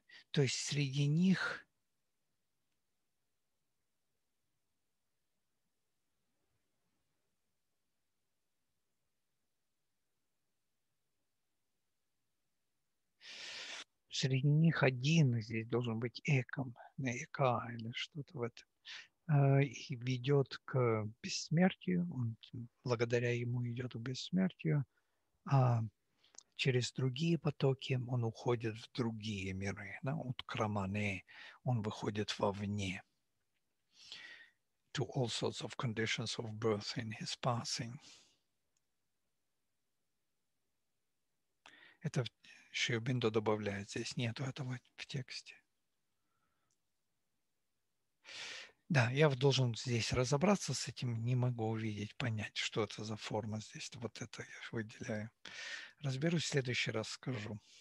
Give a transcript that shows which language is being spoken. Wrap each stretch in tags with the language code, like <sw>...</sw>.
<ru>То есть среди них один здесь должен быть эком, на эка или что-то вот, и ведет к бессмертию, он благодаря ему идет к бессмертию, а через другие потоки он уходит в другие миры, да, уткрамане, он выходит вовне.</ru> <en>To all sorts of conditions of birth in his passing.</en> <ru>Это Шиобиндо добавляет, здесь нету этого в тексте. Да, я должен здесь разобраться с этим, не могу увидеть, понять, что это за форма здесь. Вот это я выделяю. Разберусь, в следующий раз скажу.</ru>